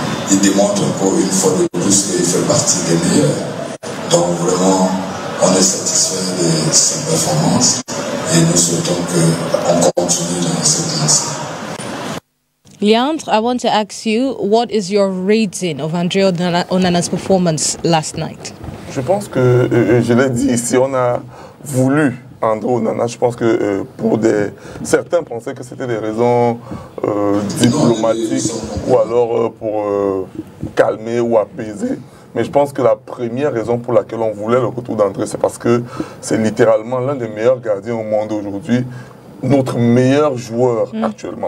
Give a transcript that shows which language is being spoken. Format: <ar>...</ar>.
<fr>Il démontre encore une fois de plus qu'il fait partie des meilleurs. Donc vraiment, on est satisfait de sa performance et nous souhaitons qu'on continue dans cette lancée.</fr> <en>Liandre, I want to ask you, what is your rating of Andre Onana's performance last night?</en> <fr>Je pense que, je l'ai dit, si on a voulu Andre Onana, je pense que certains pensaient que c'était des raisons diplomatiques ou alors pour calmer ou apaiser. Mais je pense que la première raison pour laquelle on voulait le retour d'André, c'est parce que c'est littéralement l'un des meilleurs gardiens au monde aujourd'hui, notre meilleur joueur actuellement.</fr>